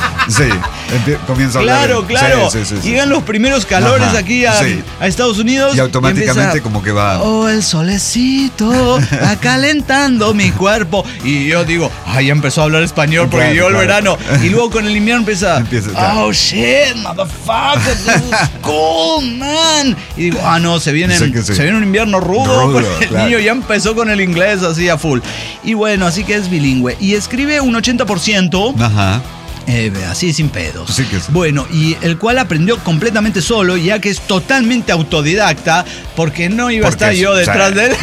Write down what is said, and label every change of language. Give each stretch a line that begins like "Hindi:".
Spanish: Sí, comienza claro, a hablar. Claro, claro. Sí, sí, sí, llegan sí, los primeros calores, ajá, aquí a, sí, a Estados Unidos. Y automáticamente empieza, como que va... Oh, el solecito va calentando mi cuerpo. Y yo digo, ay, empezó a hablar español porque claro, yo claro, el verano. Y luego con el invierno empieza... empieza
English: oh, shit, motherfucker, this is cold, man.
Spanish: Y digo, ah, no, se viene, sí, sí, se viene un invierno rudo. Rudo, el claro, niño ya empezó con el inglés así a full. Y bueno, así que es bilingüe. Y escribe un 80%. Ajá. Así sin pedos. Sí que sí. Bueno, y el cual aprendió completamente solo, ya que es totalmente autodidacta, porque no iba a estar yo detrás, o sea, de él.